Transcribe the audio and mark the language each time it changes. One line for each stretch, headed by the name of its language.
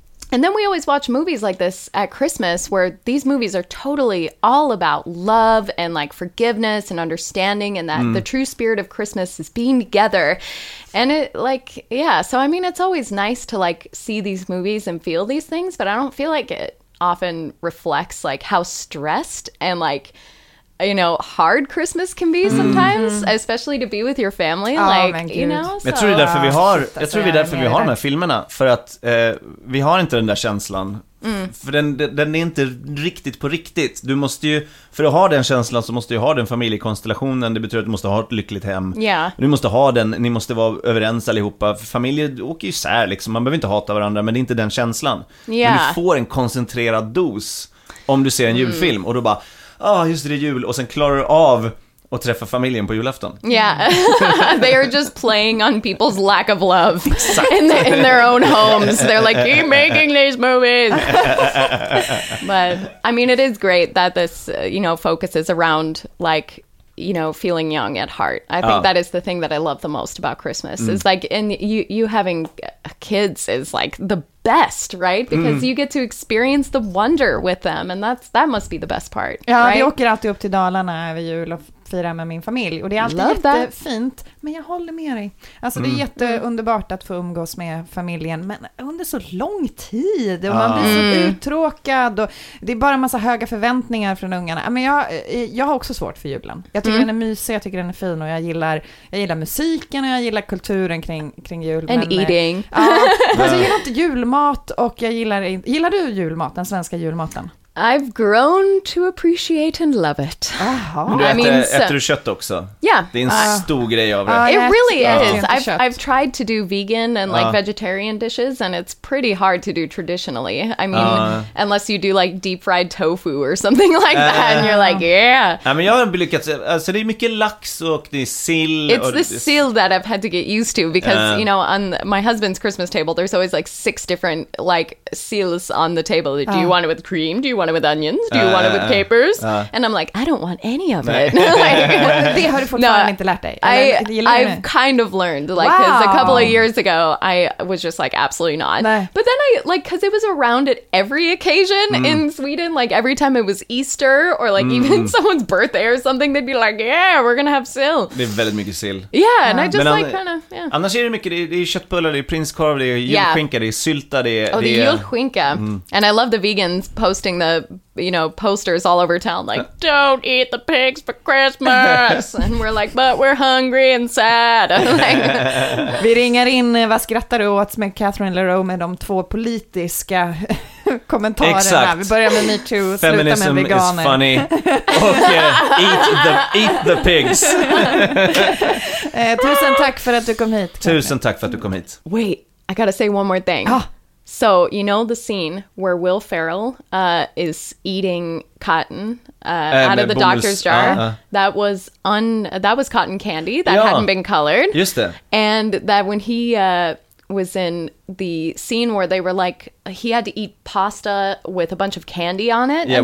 English: And then we always watch movies like this at Christmas where these movies are totally all about love and, like, forgiveness and understanding and that the true spirit of Christmas is being together. And it, like, yeah. So, I mean, it's always nice to, like, see these movies and feel these things, but I don't feel like it often reflects, like, how stressed and, like, you know, hard Christmas can be sometimes, especially to be with your family. Oh, like, you know, so.
Swedish: Jag tror det är därför vi har, jag tror det är därför vi har de här filmerna, för att vi har inte den där känslan. För den är inte riktigt på riktigt. Du måste ju, för att ha den känslan så måste du ha den familjekonstellationen. Det betyder att du måste ha ett lyckligt hem.
English: Yeah.
Swedish: Du måste ha den, ni måste vara överens allihopa. För familjer åker ju sär liksom. Man behöver inte hata varandra, men det är inte den känslan.
English: Yeah.
Swedish: Men du får en koncentrerad dos om du ser en julfilm och då bara, ja, oh, just det, jul. Och sen klarar du av att träffa familjen på julafton.
English: Yeah. They are just playing on people's lack of love. Exactly. in their own homes. They're like, keep making these movies. But, I mean, it is great that this, you know, focuses around, like, you know, feeling young at heart. I think that is the thing that I love the most about Christmas. Is like, and you having kids is like the best, right? Because you get to experience the wonder with them, and that must be the best part.
Swedish: Ja,
English: right?
Swedish: Vi åker alltid upp till Dalarna över jul och firar med min familj, och det är alltid
English: love
Swedish: jättefint
English: that.
Swedish: Men jag håller med dig. Alltså det är jätteunderbart att få umgås med familjen, men under så lång tid, och man blir så uttråkad, och det är bara en massa höga förväntningar från ungarna. Men jag har också svårt för julen. Jag tycker den är mysig, jag tycker den är fin, och jag gillar musiken, och jag gillar kulturen kring jul.
English: And
Swedish: men,
English: eating.
Swedish: Alltså jag gillar inte julmat, och jag gillar du julmat, den svenska julmaten?
English: I've grown to appreciate and love it.
Swedish: Aha. Men äter du kött också?
English: Yeah.
Swedish: Det är en stor grej av det.
English: It really is. I've tried to do vegan and like vegetarian dishes, and it's pretty hard to do traditionally. I mean, unless you do like deep fried tofu or something like that, and you're like, yeah.
Swedish: Ja, men jag har lyckats. Alltså det är mycket lax och det är sill.
English: It's the sill that I've had to get used to, because you know, on my husband's Christmas table, there's always like six different like sills on the table. Do you want it with cream? Do you want it with onions? Do you want it with capers? And I'm like, I don't want any of it.
Swedish: Det har du fortfarande inte lärt dig.
English: I've kind of learned, like, because a couple of years ago, I was just like, absolutely not. But then I, like, because it was around at every occasion in Sweden, like, every time it was Easter or, like, even someone's birthday or something, they'd be like, yeah, we're gonna have sill.
Swedish: Det är väldigt mycket sill.
English: Yeah, and I just,
Swedish: men
English: like, kind of, yeah.
Swedish: Annars är det mycket, det är köttbullar, det är prinskorv, det är julskinka, det är sylta, det är...
English: Oh, the julskinka. And I love the vegans posting the, you know, posters all over town, like, don't eat the pigs for Christmas. And we're like, but we're hungry and sad.
Swedish: Vi ringar in, vad skrattar du åt med Kathryn LeRoux, med de två politiska kommentarerna. Exakt. Vi börjar med MeToo, slutar med veganer.
English: Feminism is funny.
Swedish: Och
English: eat the pigs.
Swedish: Tusen tack för att du kom hit. Tusen tack för att du kom hit.
English: Wait, I gotta say one more thing. So, you know the scene where Will Ferrell is eating cotton out of the doctor's jar? That was cotton candy that hadn't been colored.
Swedish: Just det.
English: And that when he was in the scene where they were like, he had to eat pasta with a bunch of candy on it and